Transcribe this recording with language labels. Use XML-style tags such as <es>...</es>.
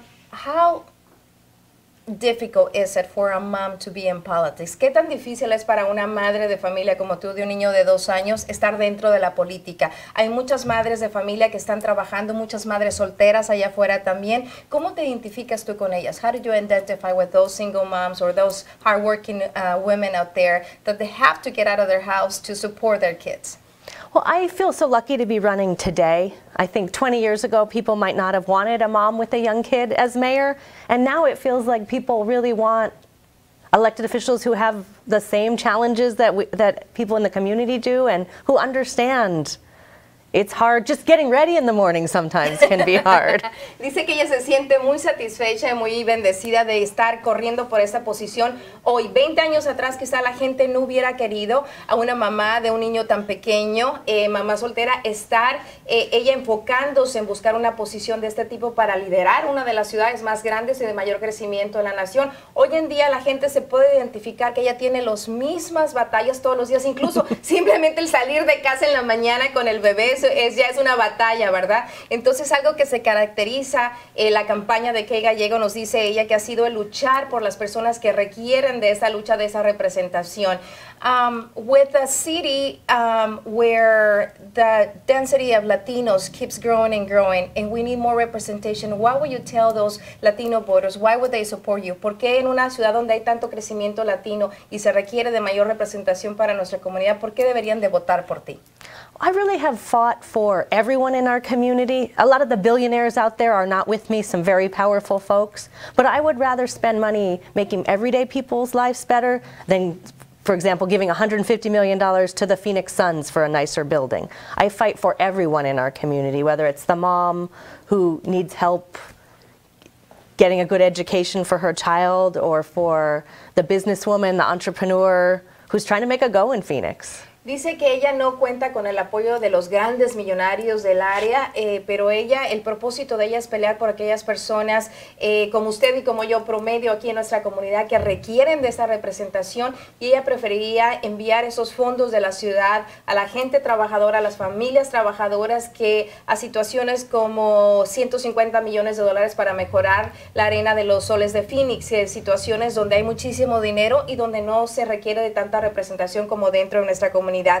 <en>How difficult is it for a mom to be in politics?</en> <es>¿Qué tan difícil es para una madre de familia como tú, de un niño de 2 años, estar dentro de la política? Hay muchas madres de familia que están trabajando, muchas madres solteras allá afuera también. ¿Cómo te identificas tú con ellas?</es> <en>How do you identify with those single moms or those hardworking women out there that they have to get out of their house to support their kids? Well, I feel so lucky to be running today. I think 20 years ago, people might not have wanted a mom with a young kid as mayor. And now it feels like people really want elected officials who have the same challenges that that people in the community do and who understand. It's hard. Just getting ready in the morning sometimes can be hard.</en> <es>Dice que ella se siente muy satisfecha y muy bendecida de estar corriendo por esta posición hoy. 20 años atrás quizá la gente no hubiera querido a una mamá de un niño tan pequeño, mamá soltera, estar ella enfocándose en buscar una posición de este tipo para liderar una de las ciudades más grandes y de mayor crecimiento de la nación. Hoy en día la gente se puede identificar que ella tiene las mismas batallas todos los días, incluso simplemente el salir de casa en la mañana con el bebé. Ya es una batalla, ¿verdad? Entonces, algo que se caracteriza la campaña de Kay Gallego, nos dice ella, que ha sido el luchar por las personas que requieren de esa lucha, de esa representación.</es> <en>With a city where the density of Latinos keeps growing and growing, and we need more representation, what would you tell those Latino voters? Why would they support you?</en> <es>¿Por qué en una ciudad donde hay tanto crecimiento latino y se requiere de mayor representación para nuestra comunidad, por qué deberían de votar por ti?</es> <en>I really have fought for everyone in our community. A lot of the billionaires out there are not with me, some very powerful folks. But I would rather spend money making everyday people's lives better than, for example, giving $150 million to the Phoenix Suns for a nicer building. I fight for everyone in our community, whether it's the mom who needs help getting a good education for her child, or for the businesswoman, the entrepreneur who's trying to make a go in Phoenix.</en> <es>Dice que ella no cuenta con el apoyo de los grandes millonarios del área, pero ella, el propósito de ella es pelear por aquellas personas como usted y como yo, promedio aquí en nuestra comunidad, que requieren de esa representación, y ella preferiría enviar esos fondos de la ciudad a la gente trabajadora, a las familias trabajadoras, que a situaciones como $150 millones para mejorar la arena de los Soles de Phoenix, situaciones donde hay muchísimo dinero y donde no se requiere de tanta representación como dentro de nuestra comunidad.</es>